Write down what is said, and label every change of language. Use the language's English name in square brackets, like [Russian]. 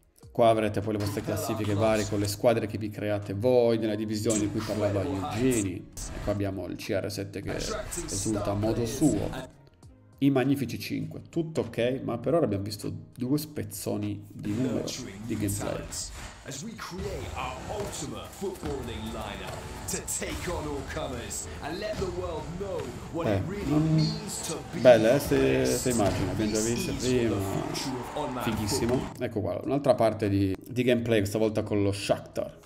[Italian] Qua avrete poi le vostre classifiche varie con le squadre che vi create voi nella divisione di cui parlava Eugeni. E qua abbiamo il CR7 che esulta a modo suo. I Magnifici 5, tutto ok, ma per ora abbiamo visto due spezzoni di numero di gameplay. [English] As we create our ultimate footballing lineup to take on all comers and let the world know what it really means to be. [Italian] Bella, se immagino, abbiamo già visto prima. Fighissimo. Ecco qua, un'altra parte di gameplay, questa volta con lo Shakhtar.